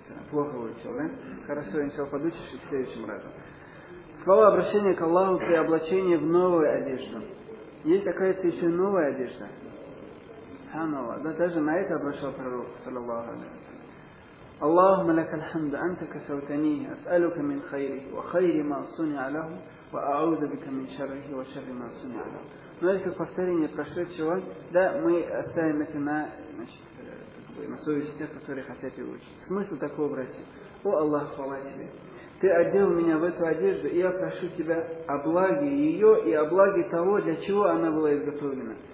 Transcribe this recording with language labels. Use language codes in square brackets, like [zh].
[ru] Плохо выучил, да? Хорошо, иншал, подучишь и в следующем разу. Слово обращения к Аллаху при облачении в новую одежду. Есть какая-то еще новая одежда. Субханаллах. Да, даже на это обращал пророк, саллаллаху алейхи. [ar] اللهم لك الحمد أنت كسوتني أسألك من خيره وخير ما صنع له وأعوذ بك من شره وشر ما صنع له. [ru] Но если в повторении прошедшего, да, мы оставим это на, значит, на совести тех, которые хотят его учить. Смысл такого, братья. О Аллах, хвала тебе. Ты одел меня в эту одежду, и я прошу тебя о благе ее и о благе того, для чего она была изготовлена.